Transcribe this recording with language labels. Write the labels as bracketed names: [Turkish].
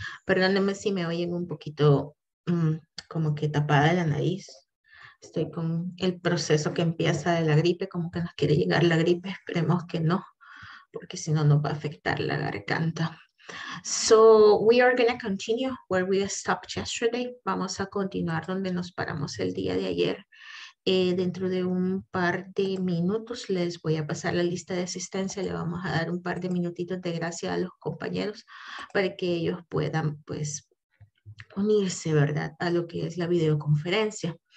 [Spanish] Perdónenme si me oyen un poquito como que tapada de la nariz. Estoy con el proceso que empieza de la gripe, como que nos quiere llegar la gripe. Esperemos que no, porque si no, nos va a afectar la garganta. [English] So, we are going to continue where we stopped yesterday. [Spanish] Vamos a continuar donde nos paramos el día de ayer. Dentro de un par de minutos les voy a pasar la lista de asistencia. Le vamos a dar un par de minutitos de gracia a los compañeros para que ellos puedan, pues, unirse, ¿verdad?, a lo que es la videoconferencia.